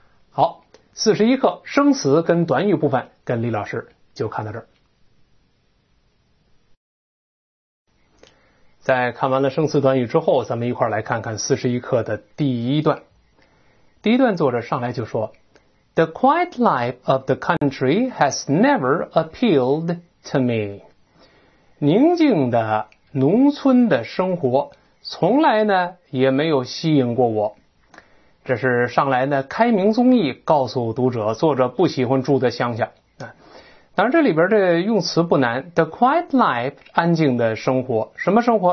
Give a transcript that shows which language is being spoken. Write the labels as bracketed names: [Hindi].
[Chinese] 好，41课生词跟短语部分跟李老师就看到这儿。在看完了生词短语之后，咱们一块来看看41课的第一段。第一段作者上来就说 [English] The quiet life of the country has never appealed to me. [Chinese] 宁静的农村的生活从来呢也没有吸引过我。这是上来呢开明综艺告诉读者，作者不喜欢住在乡下。当然这里边这用词不难， [English] the quiet life， [Chinese] 安静的生活，什么生活？